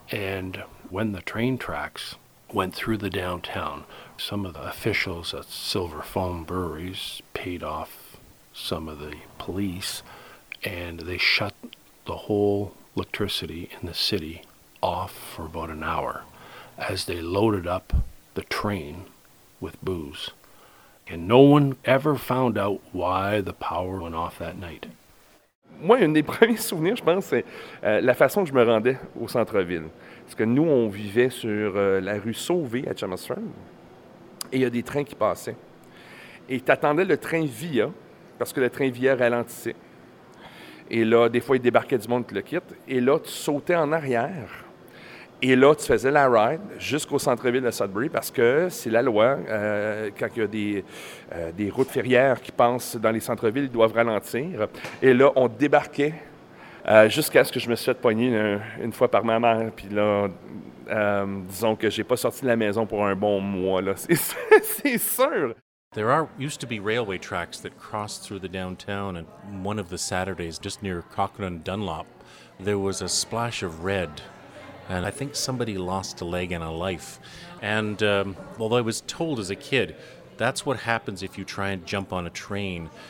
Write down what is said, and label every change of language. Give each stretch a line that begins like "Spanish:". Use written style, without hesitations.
English: And when the train tracks went through the downtown, some of the officials at Silver Foam breweries paid off some of the police, and they shut the whole electricity in the city off for about an hour as they loaded up the train with booze. And no one ever found out why the power went off that night.
French: Moi, un des premiers souvenirs, je pense, c'est la façon que je me rendais au centre-ville. Parce que nous, on vivait sur la rue Sauvé à Chemistrand, et il y a des trains qui passaient. Et tu attendais le train Via, parce que le train Via ralentissait. Et là, des fois, il débarquait du monde qui le quitte. Et là, tu sautais en arrière. Et là, tu faisais la ride jusqu'au centre-ville de Sudbury parce que c'est la loi. Quand il y a des routes ferrières qui passent dans les centres-villes, ils doivent ralentir. Et là, on débarquait jusqu'à ce que je me suis fait pogner une fois par ma mère. Puis là, disons que j'ai pas sorti de la maison pour un bon mois. Là. C'est sûr!
English: There are used to be railway tracks that crossed through the downtown, and one of the Saturdays, just near Cochrane Dunlop, there was a splash of red. And I think somebody lost a leg and a life. And although I was told as a kid, that's what happens if you try and jump on a train.